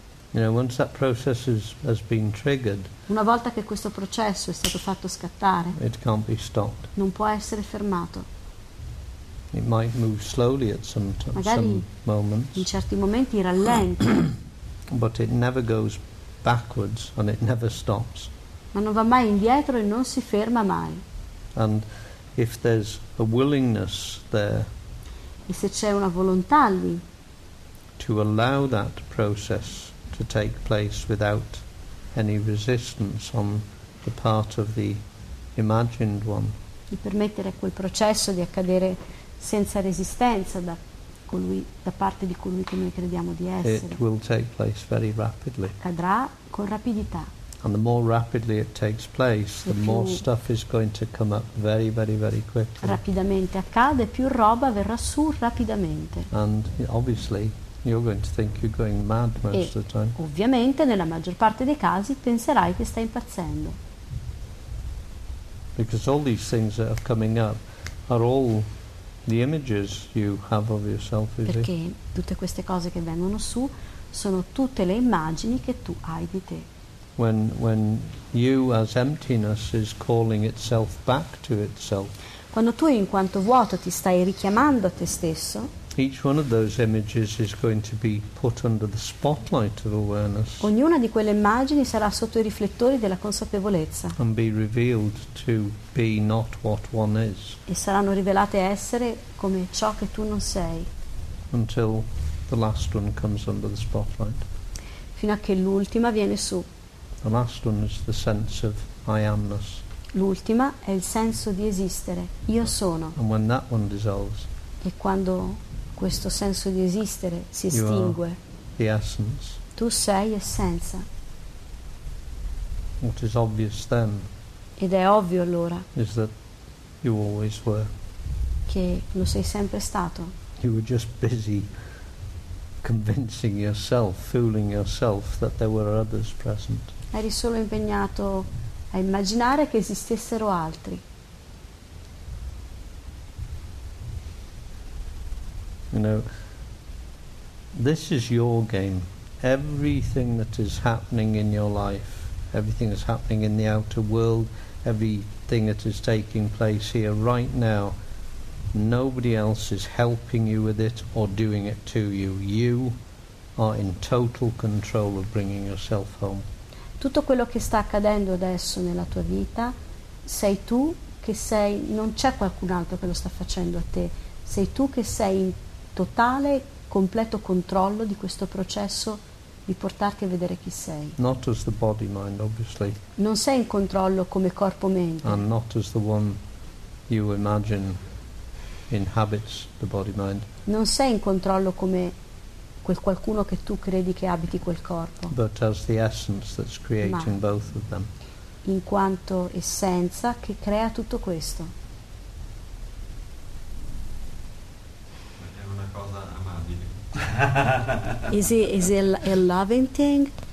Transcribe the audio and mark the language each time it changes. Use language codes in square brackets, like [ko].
[en] You know, once that process has been triggered, [it] una volta che questo processo è stato fatto scattare, [en] it can't be stopped. [it] Non può essere fermato. [en] It might move slowly at some moments. [it] In certi momenti rallenta. [en] But it never goes backwards and it never stops. [it] Ma non va mai indietro e non si ferma mai. [en] And if there's a willingness there, [it] e se c'è una volontà lì, [en] to allow that process to take place without any resistance on the part of the imagined one, [it] di permettere a quel processo di accadere senza resistenza da colui, da parte di colui che noi crediamo di essere, [en] it will take place very rapidly. [it] Accadrà con rapidità. [en] And the more rapidly it takes place, the more stuff is going to come up very, very, very quickly. [it] Rapidamente accade, più roba verrà su rapidamente. [en] And obviously, you're going to think you're going mad most of the time. [it] Ovviamente, nella maggior parte dei casi, penserai che stai impazzendo. [en] Because all these things that are coming up are all the images you have of yourself. [it] Perché tutte queste cose che vengono su sono tutte le immagini che tu hai di te. [en] When you as emptiness is calling itself back to itself, [it] quando tu in quanto vuoto ti stai richiamando a te stesso, [en] each one of those images is going to be put under the spotlight of awareness, [it] ognuna di quelle immagini sarà sotto i riflettori della consapevolezza, [en] and be revealed to be not what one is, [it] e saranno rivelate essere come ciò che tu non sei, [en] until the last one comes under the spotlight, [it] fino a che l'ultima viene su. [en] The last one is the sense of I amness. [it] L'ultima è il senso di esistere. Io sono. [en] And when that one dissolves, [it] e quando questo senso di esistere si estingue, [en] the essence. [it] Tu sei essenza. [en] What is obvious then? [it] Ed è ovvio allora. [en] Is that you always were? [it] Che lo sei sempre stato. [en] You were just busy convincing yourself, fooling yourself that there were others present. [it] Eri solo impegnato a immaginare che esistessero altri. [en] You know, this is your game. Everything that is happening in your life, everything that's happening in the outer world, everything that is taking place here right now, nobody else is helping you with it or doing it to you. You are in total control of bringing yourself home. [it] Tutto quello che sta accadendo adesso nella tua vita sei tu che sei, non c'è qualcun altro che lo sta facendo a te, sei tu che sei in totale, completo controllo di questo processo di portarti a vedere chi sei. [en] Not as the body mind, obviously. [it] Non sei in controllo come corpo mente. [en] And not as the one you imagine inhabits the body mind. [it] Non sei in controllo come quel qualcuno che tu credi che abiti quel corpo, [en] but as the essence that's creating both of them, [it] in quanto essenza che crea tutto questo. È una cosa amabile. [en] Is it a loving thing?